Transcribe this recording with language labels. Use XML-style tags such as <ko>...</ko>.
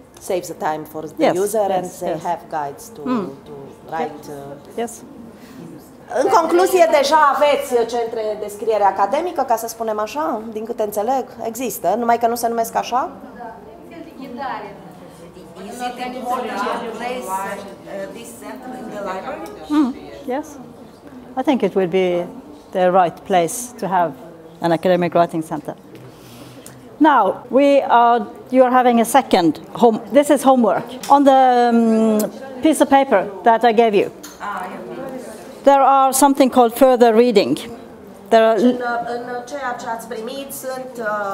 <en>Saves the time for the user and they have guides to to write. Yes.</en> <ro>În concluzie, deja aveți centre de scriere academică, ca să spunem așa, din câte înțeleg, există, numai că nu se numesc așa? Da, de ghidare.</ro> <en>Is it any more place, this center in the library? Yes. I think it will be the right place to have an academic writing center. Now, we are. You are having a second home. This is homework on the piece of paper that I gave you. There are something called further reading.</en> <ro>There are in ceea ce ați primit sunt</ro>